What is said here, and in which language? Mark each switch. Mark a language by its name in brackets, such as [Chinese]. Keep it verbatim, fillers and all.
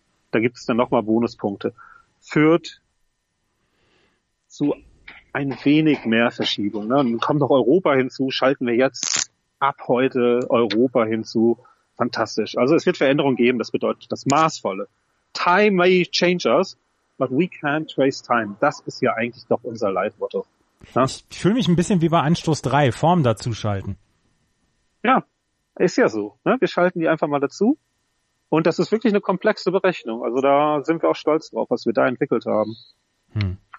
[German] Da gibt es dann nochmal Bonuspunkte. Führt zu ein wenig mehr Verschiebung. Ne? Und kommt noch Europa hinzu, schalten wir jetzt ab heute Europa hinzu. Fantastisch. Also es wird Veränderungen geben, das bedeutet das Maßvolle. [English] Time may change us, but we can't trace time. [German] Das ist ja eigentlich doch unser Leitmotto. Ja? Ich fühle mich ein bisschen wie bei Anstoß drei, Form dazuschalten. Ja, ist ja so. Ne? Wir schalten die einfach mal dazu. Und das ist wirklich eine komplexe Berechnung. Also da sind wir auch stolz drauf, was wir da entwickelt haben. Hm.